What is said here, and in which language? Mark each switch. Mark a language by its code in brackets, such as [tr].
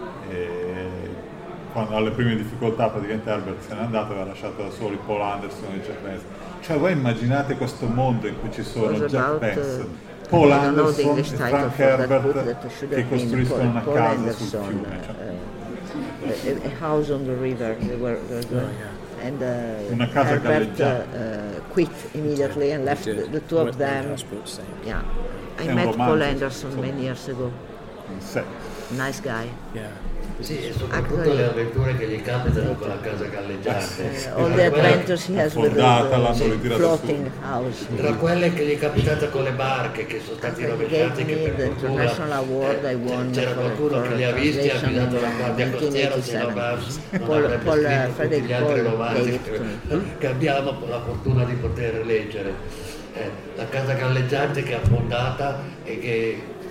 [it] E quando alle prime difficoltà praticamente Herbert se n'è andato, aveva lasciato da soli Paul Anderson e Jack Vance. Cioè voi immaginate questo mondo in cui ci sono Jack Vance, Paul Anderson e Frank Herbert che costruiscono una casa sul fiume. [en] A house on the river. And [it] una casa [en] Herbert quit immediately and left the two of them. I met Paul Anderson many years ago. Nice guy. [it] Sì, e soprattutto le avventure che gli capitano con la casa galleggiante. [en] All the adventures he has with the floating house. [it] Tra quelle che gli è capitata con le barche che sono state rovesciate, che per fortuna c'era qualcuno che li ha visti e ha guidato la guardia costiera, se non avrebbe scritto tutti gli altri romanzi che abbiamo la fortuna di poter leggere. La casa galleggiante che è affondata e che